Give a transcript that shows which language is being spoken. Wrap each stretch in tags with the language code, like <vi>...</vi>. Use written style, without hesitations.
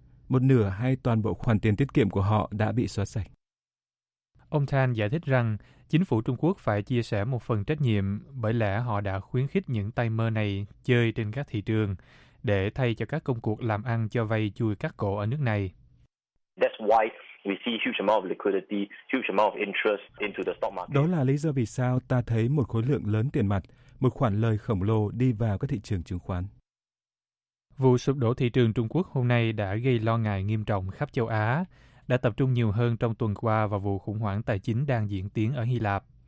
<vi>một nửa hay toàn bộ khoản tiền tiết kiệm của họ đã bị xóa sạch. Ông Tan giải thích rằng chính phủ Trung Quốc phải chia sẻ một phần trách nhiệm bởi lẽ họ đã khuyến khích những tay mơ này chơi trên các thị trường để thay cho các công cuộc làm ăn cho vay chui cắt cổ ở nước này.</vi> <en>That's why we see huge amount of liquidity, huge amount of interest into the stock market.</en> <vi>Đó là lý do vì sao ta thấy một khối lượng lớn tiền mặt, một khoản lời khổng lồ đi vào các thị trường chứng khoán. Vụ sụp đổ thị trường Trung Quốc hôm nay đã gây lo ngại nghiêm trọng khắp châu Á, đã tập trung nhiều hơn trong tuần qua vào vụ khủng hoảng tài chính đang diễn tiến ở Hy Lạp.</vi>